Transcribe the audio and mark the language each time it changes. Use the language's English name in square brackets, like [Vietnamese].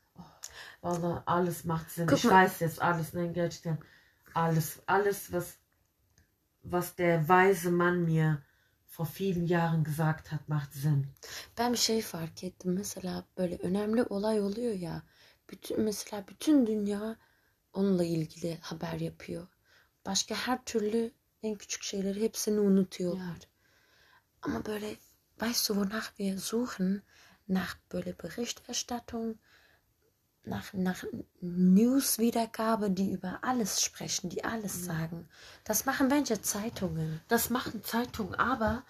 [German] Oh, Allah, alles macht Sinn. Guck ich mal. Weiß jetzt alles, nein, Geldstern. Alles, was der weise Mann mir vor vielen Jahren gesagt hat, macht Sinn. [Turkish] Ben şey fark ettim. Mesela böyle önemli olay oluyor ya. Mesela bütün dünya onunla ilgili haber yapıyor. Başka her türlü en küçük şeyleri hepsini unutuyorlar. [German] Ja. [Turkish] Ama böyle [German] weißt du, wonach wir suchen? Nach [Turkish] böyle [German] Berichterstattung, nach News-Wiedergabe, die über alles sprechen, die alles, mhm, sagen. Das machen welche Zeitungen? Das machen Zeitungen, aber